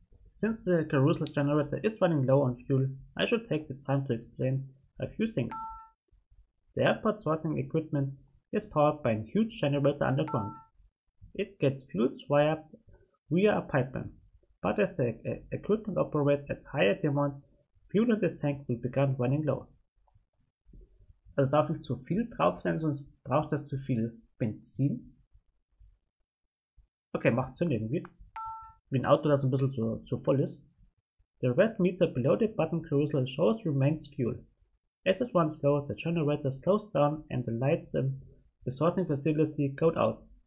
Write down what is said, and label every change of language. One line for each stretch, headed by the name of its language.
English: Since the carousel generator is running low on fuel, I should take the time to explain a few things. The airport sorting equipment is powered by a huge generator underground. It gets fueled via a pipeline, but as the equipment operates at higher demand, fuel in this tank will begin running low.
German: Also darf nicht zu viel drauf sein, sonst braucht das zu viel Benzin. Okay, macht Sinn irgendwie. Wie ein Auto, das ein bisschen zu voll ist.
English: The red meter below the button carousel shows remains fuel. As it runs low, the generator slows down and the lights in the sorting facility go out.